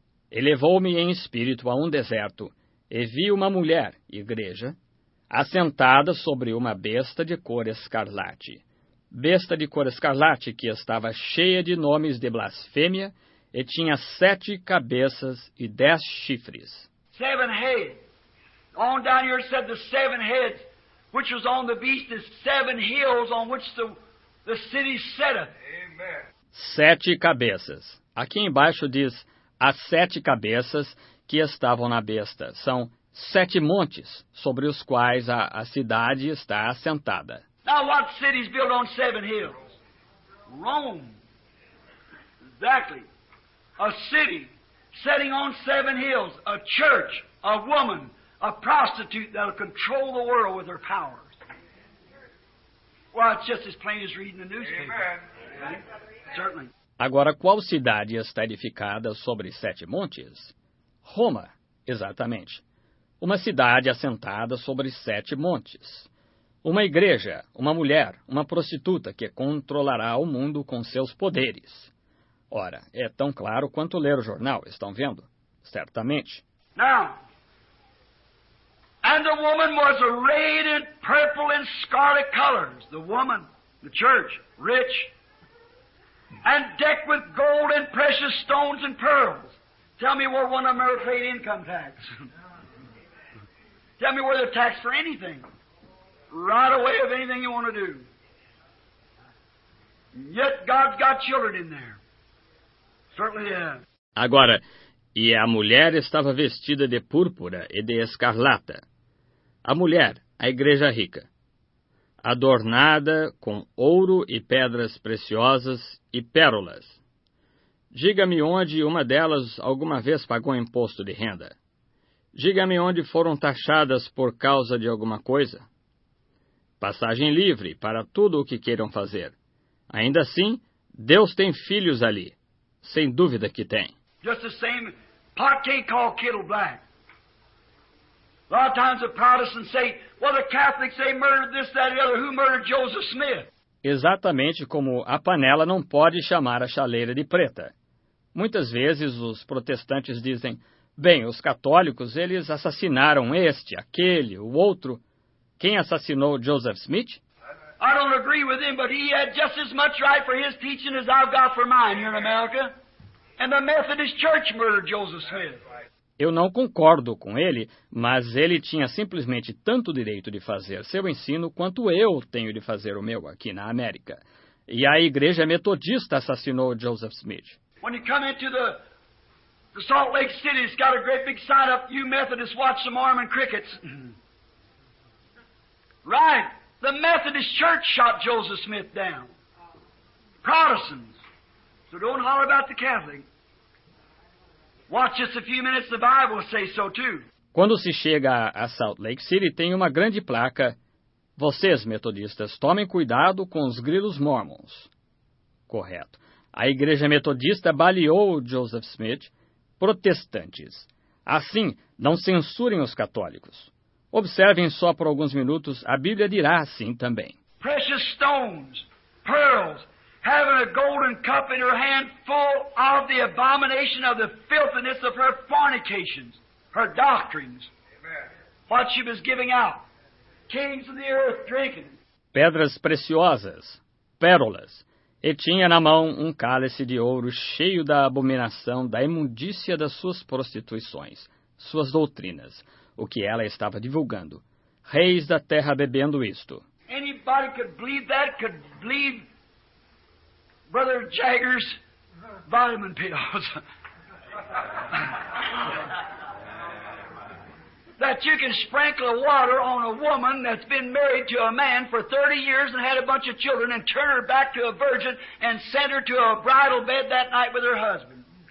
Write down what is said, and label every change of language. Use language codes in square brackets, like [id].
[pt] Elevou-me em espírito a um deserto, e vi uma mulher, igreja, assentada sobre uma besta de cor escarlate. Besta de cor escarlate que estava cheia de nomes de blasfêmia e tinha sete cabeças e dez chifres. [en] Seven heads. On down here said the seven heads, which was on the beast, is seven hills on which the city set up. [pt] Sete cabeças. Aqui embaixo diz as sete cabeças que estavam na besta. São sete montes sobre os quais a cidade está assentada. [en] Now what city is built on seven hills? Rome. Exactly. A city setting on seven hills. A church. A woman. A prostitute that will control the world with her powers. Well, it's just as plain as reading the newspaper. Amen. Right? Certainly. [pt] Agora, qual cidade está edificada sobre sete montes? Roma, exatamente. Uma cidade assentada sobre sete montes. Uma igreja, uma mulher, uma prostituta que controlará o mundo com seus poderes. Ora, é tão claro quanto ler o jornal, estão vendo? Certamente. [en] Now, and the woman was arrayed in purple and scarlet colors. The woman, the church, rich. And decked with gold and precious stones and pearls. Tell me where one of them ever paid income tax. Tell me where they're taxed for anything. Right away of anything you want to do. Yet God's got children in there. Certainly is. [pt] Agora, e a mulher estava vestida de púrpura e de escarlata. A mulher, a igreja rica. Adornada com ouro e pedras preciosas e pérolas. Diga-me onde uma delas alguma vez pagou imposto de renda. Diga-me onde foram taxadas por causa de alguma coisa. Passagem livre para tudo o que queiram fazer. Ainda assim, Deus tem filhos ali. Sem dúvida que tem. [en] Just the same, pot can't call kettle black. A lot of times the Protestants say, well, the Catholics, they murdered this, that, and the other. Who murdered Joseph Smith? [pt] Exatamente como a panela não pode chamar a chaleira de preta. Muitas vezes os protestantes dizem, bem, os católicos, eles assassinaram este, aquele, o outro. Quem assassinou Joseph Smith? [en] I don't agree with him, but he had just as much right for his teaching as I've got for mine here in America. And the Methodist Church murdered Joseph Smith. [pt] Eu não concordo com ele, mas ele tinha simplesmente tanto direito de fazer seu ensino quanto eu tenho de fazer o meu aqui na América. E a Igreja Metodista assassinou Joseph Smith. [en] When you come into the Salt Lake City, it's got a great big sign up, you Methodists watch some Mormon crickets. Right, the Methodist Church shot Joseph Smith down. Protestants. So don't holler about the Catholic. Watch just a few minutes, the Bible says so too. [pt] Quando se chega a Salt Lake City, tem uma grande placa. Vocês, metodistas, tomem cuidado com os grilos mormons. Correto. A igreja metodista baleou Joseph Smith, protestantes. Assim, não censurem os católicos. Observem só por alguns minutos, a Bíblia dirá assim também. [en] Precious stones, pearls. Having a golden cup in her hand full of the abomination of the filthiness of her fornications, her doctrines. Amen. What she was giving out. Kings of the earth drinking. [pt] Pedras preciosas, pérolas. E tinha na mão um cálice de ouro cheio da abominação, da imundícia das suas prostituições, suas doutrinas, o que ela estava divulgando. Reis da terra bebendo isto. [en] Anybody could believe that, could believe Brother Jagger's vitamin pills. that you can sprinkle water on a woman that's been married to a man for 30 years and had a bunch of children and turn her back to a virgin and send her to a bridal bed that night with her husband.